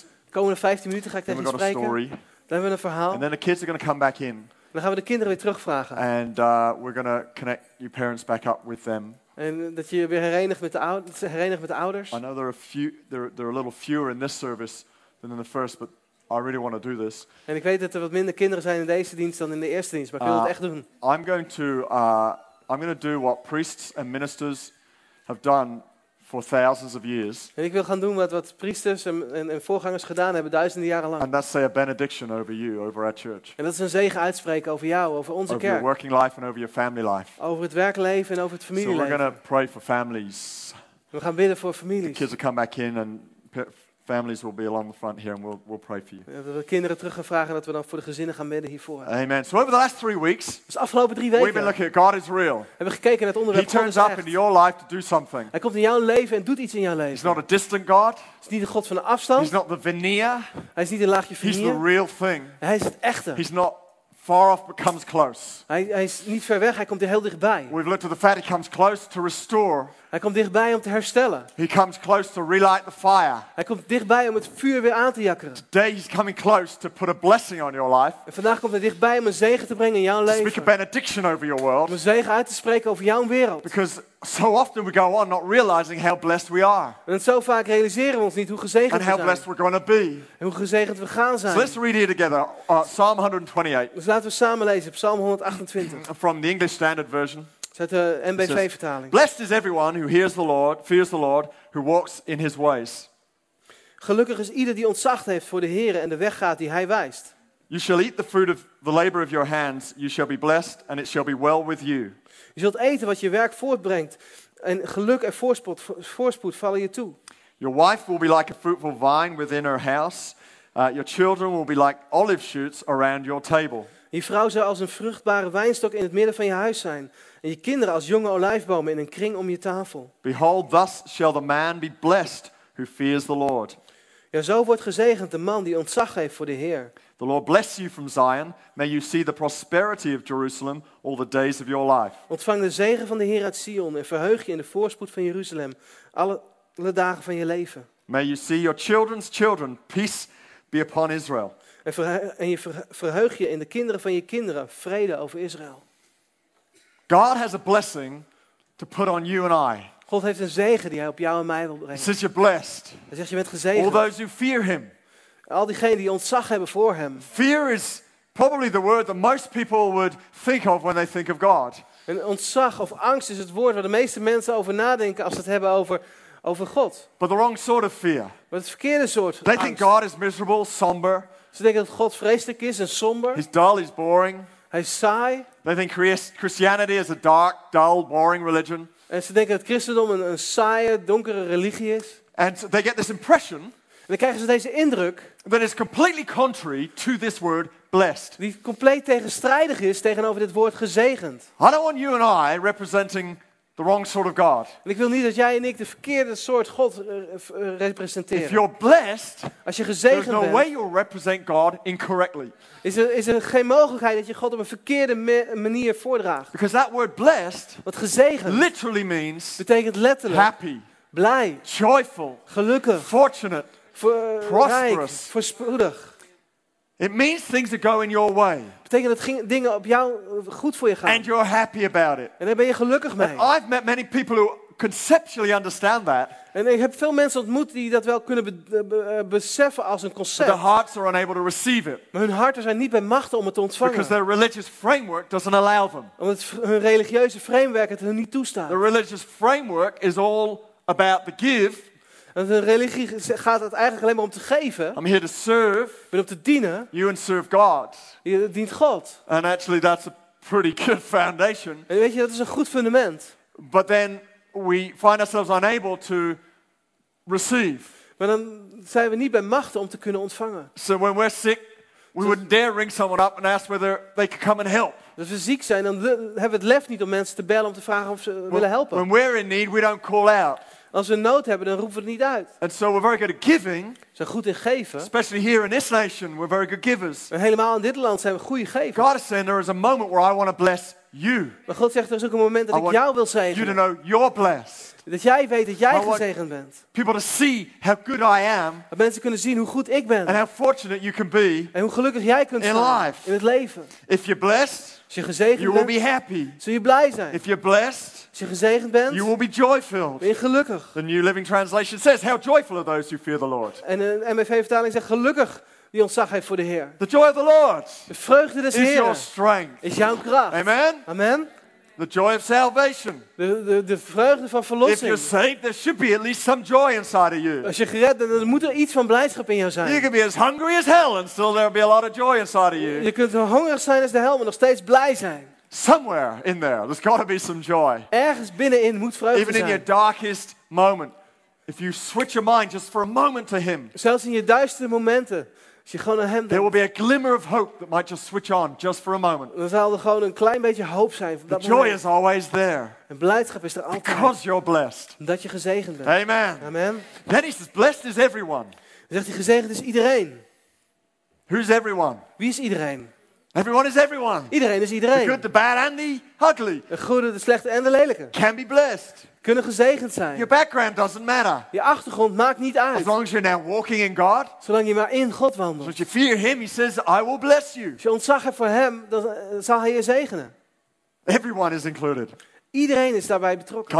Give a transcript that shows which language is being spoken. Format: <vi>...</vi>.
<nl>De komende 15 minuten ga ik tegen u spreken.</nl> <en>Then we've got a story.</en> <nl>Dan hebben we een verhaal.</nl> <en>And then the kids are going to come back in.</en> <nl>En dan gaan we de kinderen weer terugvragen.</nl> <en>And we're going to connect your parents back up with them.</en> <nl>En dat je weer herenigt met de ouders.</nl> <en>I know there are a little fewer in this service than in the first, but I really want to do this.</en> <nl>En ik weet dat er wat minder kinderen zijn in deze dienst dan in de eerste dienst, maar ik wil het echt doen.</nl> <en>I'm going to do what priests and ministers have done for thousands of years.</en> <nl>En ik wil gaan doen wat priesters en voorgangers gedaan hebben duizenden jaren lang.</nl> <en>And that's say a benediction over you, over our church.</en> <nl>En dat is een zegen uitspreken over jou, over onze kerk.</nl> <en>Over your working life and over your family life.</en> <nl>Over het werkleven en over het familieleven.</nl> <en>So we're going to pray for families.</en> <nl>We gaan bidden voor families.</nl> <en>The kids will come back in and families will be along the front here, and we'll pray for you.</en> <nl>We hebben de kinderen terug gevraagd dat we dan voor de gezinnen gaan bidden hiervoor.</nl> <en>Amen. So over the last 3 weeks,</en> <nl>dus afgelopen 3 weken,</nl> <en>we've been looking at God is real.</en> <nl>Hebben gekeken naar het onderwerp.</nl> <en>He turns up into your life to do something.</en> <nl>Hij komt in jouw leven en doet iets in jouw leven.</nl> <en>He's not a distant God.</en> <nl>Hij is niet de God van de afstand.</nl> <en>He's not the veneer.</en> <nl>Hij is niet een laagje veneer.</nl> <en>He's the real thing.</en> <nl>Hij is het echte.</nl> <en>He's not far off but comes close.</en> <nl>Hij is niet ver weg, hij komt er heel dichtbij.</nl> <en>We've looked at the fact he comes close to restore.</en> <nl>Hij komt dichtbij om te herstellen.</nl> <en>He comes close to relight the fire.</en> <nl>Hij komt dichtbij om het vuur weer aan te jakkeren.</nl> <en>Today he's coming close to put a blessing on your life.</en> <nl>En vandaag komt hij dichtbij om een zegen te brengen in jouw leven.</nl> <en>To speak a benediction over your world.</en> <nl>Om een zegen uit te spreken over jouw wereld.</nl> <en>Because so often we go on not realizing how blessed we are.</en> <nl>En zo vaak realiseren we ons niet hoe gezegend we zijn.</nl> <en>And how blessed we're going to be.</en> <nl>En hoe gezegend we gaan zijn.</nl> <en>So let's read here together Psalm 128.</en> <nl>Dus laten we samen lezen Psalm 128.</nl> <en>From the English Standard Version.</en> <nl>Zet de NBV-vertaling.</nl> <en>Blessed is everyone who hears the Lord, fears the Lord, who walks in his ways.</en> <nl>Gelukkig is ieder die ontzag heeft voor de Heer en de weg gaat die hij wijst.</nl> <en>You shall eat the fruit of the labor of your hands, you shall be blessed and it shall be well with you.</en> <nl>Je zult eten wat je werk voortbrengt en geluk en voorspoed vallen je toe.</nl> <en>Your wife will be like a fruitful vine within her house. Your children will be like olive shoots around your table.</en> <nl>Je vrouw zal als een vruchtbare wijnstok in het midden van je huis zijn. En je kinderen als jonge olijfbomen in een kring om je tafel.</nl> <en>Behold, thus shall the man be blessed who fears the Lord.</en> <nl>Ja, zo wordt gezegend de man die ontzag heeft voor de Heer.</nl> <en>The Lord bless you from Zion. May you see the prosperity of Jerusalem all the days of your life.</en> <nl>Ontvang de zegen van de Heer uit Sion en verheug je in de voorspoed van Jeruzalem alle dagen van je leven.</nl> <en>May you see your children's children. Peace be upon Israel.</en> <nl>En je verheug je in de kinderen van je kinderen. Vrede over Israël.</nl> <en>God has a blessing to put on you and I.</en> <nl>God heeft een zegen die hij op jou en mij wil brengen.</nl> <en>Since you're blessed.</en> <nl>Hij zegt je bent gezegend.</nl> <en>All those who fear him.</en> <nl>Al diegenen die ontzag hebben voor hem.</nl> <en>Fear is probably the word that most people would think of when they think of God.</en> <nl>En ontzag of angst is het woord waar de meeste mensen over nadenken als ze het hebben over God.</nl> <en>But the wrong sort of fear.</en> <nl>Maar het verkeerde soort angst.</nl> <en>They think God is miserable, somber.</en> <nl>Ze denken dat God vreselijk is en somber.</nl> <en>He's dull, he's boring.</en> <nl>Hij is saai.</nl> <en>They think Christianity is a dark, dull, boring religion.</en> <nl>En ze denken dat Christendom een saaie, donkere religie is.</nl> <en>And they get this impression.</en> <nl>En dan krijgen ze deze indruk.</nl> <en>That is completely contrary to this word blessed.</en> <nl>Die compleet tegenstrijdig is tegenover dit woord gezegend.</nl> <en>I don't want you and I representing The wrong sort of God.</en> <nl>En ik wil niet dat jij en ik de verkeerde soort God representeren.</nl> <en>If you're blessed,</en> <nl>als je gezegend</nl> <en>there's no</en> <nl>bent,</nl> <en>way you'll represent God incorrectly.</en> <nl>Is er geen mogelijkheid dat je God op een verkeerde manier voordraagt.</nl> <en>Because that word blessed,</en> <nl>wat gezegend,</nl> <en>literally means,</en> <nl>betekent letterlijk,</nl> <en>happy,</en> <nl>blij,</nl> <en>joyful,</en> <nl>gelukkig,</nl> <en>fortunate, prosperous,</en> <nl>voorspoedig.</nl> <en>It means things that go in your way.</en> <nl>Betekent dat dingen op jou goed voor je gaan.</nl> <en>And you're happy about it.</en> <nl>En daar ben je gelukkig mee.</nl> <en>And I've met many people who conceptually understand that.</en> <nl>En ik heb veel mensen ontmoet die dat wel kunnen beseffen als een concept.</nl> <en>But their hearts are unable to receive it.</en> <nl>Maar hun harten zijn niet bij machten om het te ontvangen.</nl> <en>Because their religious framework doesn't allow them.</en> <nl>Omdat hun religieuze framework het hun niet toestaat.</nl> <en>The religious framework is all about the give.</en> <nl>Want een religie gaat het eigenlijk alleen maar om te geven.</nl> <en>I'm here to serve.</en> <nl>Ik ben om te dienen.</nl> <en>You and serve God.</en> <nl>Je dient God.</nl> <en>And actually that's a pretty good foundation.</en> <nl>En weet je, dat is een goed fundament.</nl> <en>But then we find ourselves unable to receive.</en> <nl>Maar dan zijn we niet bij machten om te kunnen ontvangen.</nl> <en>So when we're sick, we wouldn't dare ring someone up and ask whether they could come and help.</en> <nl>Als we ziek zijn, dan hebben we het lef niet om mensen te bellen om te vragen of ze willen helpen.</nl> <en>When we're in need, we don't call out.</en> <nl>Als we nood hebben, dan roepen we het niet uit.</nl> <en>And so we're very good at giving.</en> <nl>We zijn goed in geven.</nl> <en>Especially here in this nation, we're very good givers.</en> <nl>En helemaal in dit land zijn we goede gevers.</nl> <en>God is saying there is a moment where I want to bless you.</en> <nl>Maar God zegt, er is ook een moment dat ik jou wil zegenen.</nl> <en>You to know you're blessed.</en> <nl>Dat jij weet dat jij gezegend bent.</nl> <en>People to see how good I am.</en> <nl>Dat mensen kunnen zien hoe goed ik ben.</nl> <en>And how fortunate you can be.</en> <nl>En hoe gelukkig jij kunt zijn in het leven.</nl> <en>If you're blessed.</en> <nl>Als je gezegend</nl> <en>you</en> <nl>bent,</nl> <en>will be happy.</en> <nl>Zul je blij zijn.</nl> <en>If you're blessed,</en> <nl>als je gezegend bent,</nl> <en>you will be joy-filled.</en> <nl>Ben je gelukkig.</nl> <en>The New Living Translation says, "How joyful are those who fear the Lord."</en> <nl>En een MFV-vertaling zegt, gelukkig die ontzag heeft voor de Heer.</nl> <en>The joy of the Lord.</en> <nl>De vreugde des</nl> <en>is</en> <nl>Heeren</nl> <en>your strength.</en> <nl>Is jouw kracht.</nl> <en>Amen.</en> <nl>Amen.</nl> <en>The joy of salvation.</en> <nl>De vreugde van verlossing.</nl> <en>If you're saved, there should be at least some joy inside of you.</en> <nl>Als je gered bent, dan moet er iets van blijdschap in jou zijn.</nl> <en>You can be as hungry as hell, and still there'll be a lot of joy inside of you.</en> <nl>Je kunt zo hongerig zijn als de hel, maar nog steeds blij zijn.</nl> <en>Somewhere in there, there's got to be some joy.</en> <nl>Ergens binnenin moet vreugde zijn.</nl> <en>Even in your darkest moment, if you switch your mind just for a moment to Him.</en> <nl>Zelfs in je duisterste momenten. Als je gewoon naar hem</nl> <en>there will be a glimmer of hope that might just switch on just for a moment.</en> <nl>Dan zal er gewoon een klein beetje hoop zijn. Dat</nl> <en>the joy is always there.</en> <nl>En blijdschap is er altijd.</nl> <en>Because you're blessed.</en> <nl>Omdat je gezegend bent.</nl> <en>Amen.</en> <nl>Amen.</nl> <en>Then he says, blessed is everyone.</en> <nl>Dan zegt hij, gezegend is iedereen.</nl> <en>Who's everyone?</en> <nl>Wie is iedereen?</nl> <en>Everyone is everyone.</en> <nl>Iedereen is iedereen.</nl> <en>The good, the bad and the ugly.</en> <nl>De goede, de slechte en de lelijke.</nl> <en>Can be blessed.</en> <nl>Kunnen gezegend zijn.</nl> <en>Your background doesn't matter.</en> <nl>Je achtergrond maakt niet uit.</nl> <en>As long as you're now walking in God.</en> <nl>Zolang je maar in God wandelt.</nl> <en>Because you fear Him, He says, I will bless you.</en> <nl>Als je ontzag hebt voor Hem, dan zal Hij je zegenen.</nl> <en>Everyone is included.</en> <nl>Iedereen is daarbij betrokken.</nl>